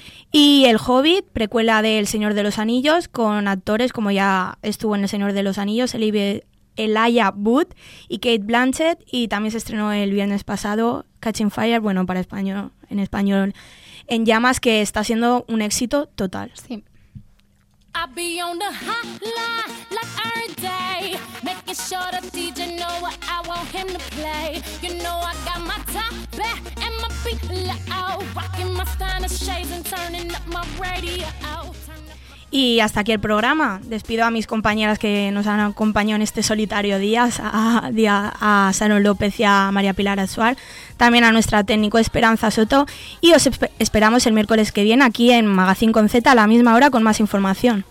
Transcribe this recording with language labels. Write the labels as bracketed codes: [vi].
[es] Y El Hobbit, precuela de El Señor de los Anillos, con actores como ya estuvo en El Señor de los Anillos, Elijah Wood y Kate Blanchett, y también se estrenó el viernes pasado Catching Fire, bueno, para español, en español, En Llamas, que está siendo un éxito total. Sí. [en] I'll be on the hotline like every day, making sure the DJ know what I want him to play. You know I got my top back and my feet low, rocking my Stannis shades and turning up my radio out. [es] Y hasta aquí el programa. Despido a mis compañeras que nos han acompañado en este solitario día, a Sano López y a María Pilar Azuar. También a nuestra técnico Esperanza Soto. Y os esperamos el miércoles que viene aquí en Magazine con Z a la misma hora con más información.